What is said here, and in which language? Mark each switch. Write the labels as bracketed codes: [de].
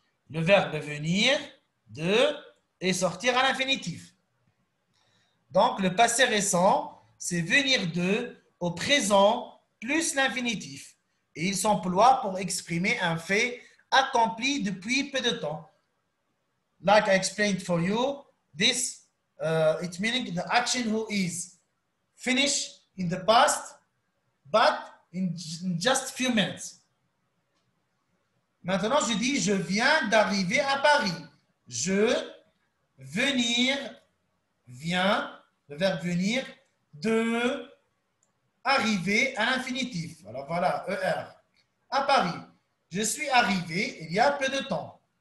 [fr] Le verbe venir de et sortir à l'infinitif. Donc, le passé récent, c'est venir de au présent plus l'infinitif. Et il s'emploie pour exprimer un fait accompli depuis peu de temps. [en] Like I explained for you, this, it meaning the action who is. Finish in the past, but in just few minutes. [fr] Maintenant, je dis, je viens d'arriver à Paris. Je, venir, viens, le verbe venir, de, arriver à l'infinitif. Alors voilà, ER, à Paris. Je suis arrivé il y a peu de temps.